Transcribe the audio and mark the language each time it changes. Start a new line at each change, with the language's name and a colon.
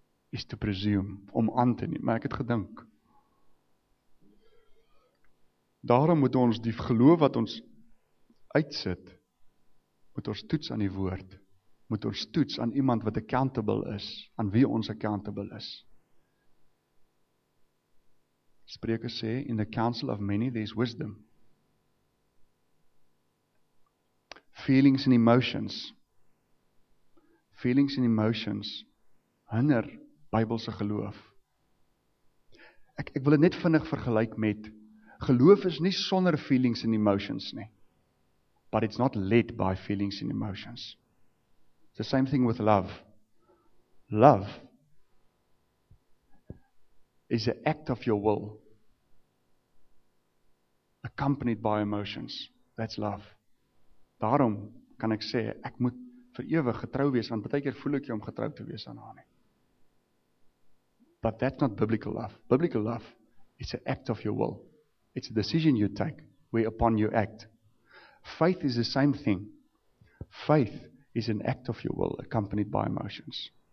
English: Is to presume,
Afrikaans: om aan te neem, maar ek het gedink. Daarom moet ons die geloof wat ons uitsit, moet ons toets aan die woord, moet ons toets aan iemand wat accountable is, aan wie ons accountable is. Spreuke sê,
English: in the counsel of many there is wisdom. Feelings and emotions. Feelings and emotions hinder
Afrikaans: Bybelse geloof. Ek wil dit net vinnig vergelyk met geloof is nie sonder
English: feelings and emotions
Afrikaans: nie.
English: But it's not led by feelings and emotions. It's the same thing with love. Love is an act of your will accompanied by emotions. That's love.
Afrikaans: Daarom kan ek sê, ek moet vir ewig getrou wees, want baie keer voel ek jy om getrou te wees aan haar nie.
English: But that's not biblical love. Biblical love is an act of your will. It's a decision you take whereupon you act. Faith is the same thing. Faith is an act of your will accompanied by emotions.